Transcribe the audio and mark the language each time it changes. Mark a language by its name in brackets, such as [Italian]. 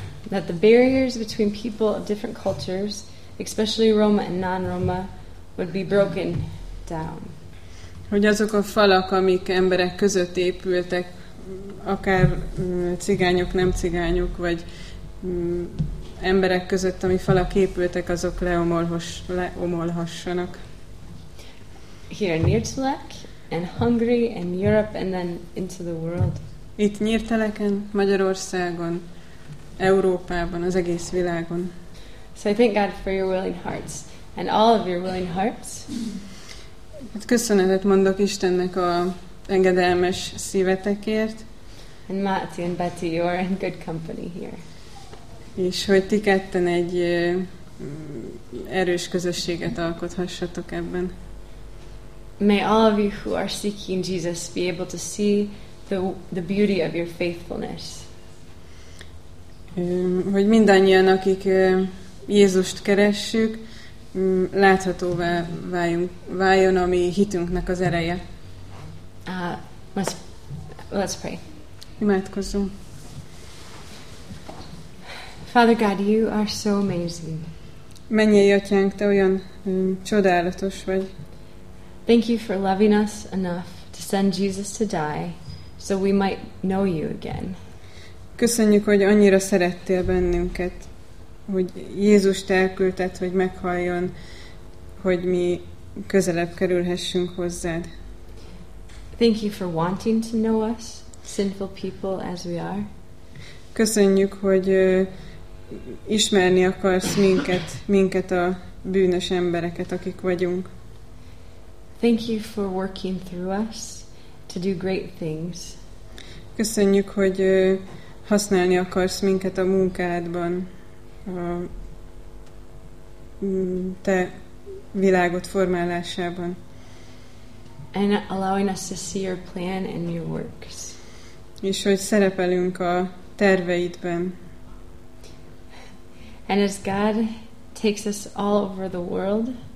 [English] That the barriers between people of different cultures, especially Roma and non-Roma, would be broken down. [Hungarian] Hogy azok a falak, amik emberek között épültek, akár cigányok, nem cigányok, vagy emberek között, ami falak épültek, azok leomolhassanak. [English] Here in Nyírtelek, and Hungary, and Europe, and then into the world. [Hungarian] Itt Nyírteleken, Magyarországon, Európában, az egész világon. [English] So I thank God for your willing hearts, and all of your willing hearts. [Hungarian] Köszönetet mondok Istennek a engedelmes szívetekért. [English] And Máté and Betty, you are in good company here. [Hungarian] És hogy ti ketten egy erős közösséget alkothassatok ebben. [English] May all of you who are seeking Jesus be able to see the beauty of your faithfulness. [Hungarian] Hogy mindannyian, akik Jézust keressük, láthatóvá váljon a mi hitünknek az ereje. [English] Let's pray. [Hungarian] Imádkozzunk. [English] Father God, you are so amazing. [Hungarian] Mennyei atyánk, te olyan csodálatos vagy. [English] Thank you for loving us enough to send Jesus to die so we might know you again. [Hungarian] Köszönjük, hogy annyira szerettél bennünket, hogy Jézust elküldted, hogy meghalljon, hogy mi közelebb kerülhessünk hozzád. [English] Thank you for wanting to know us, sinful people as we are. [Hungarian] Köszönjük, hogy ismerni akarsz minket, minket a bűnös embereket, akik vagyunk. [English] Thank you for working through us to do great things. [Hungarian] Köszönjük, hogy használni akarsz minket a munkádban, a te világot formálásában. [English] And allowing us to see your plan and your works. [Hungarian] És hogy szerepelünk a terveidben. [English] And as God takes us all over the world,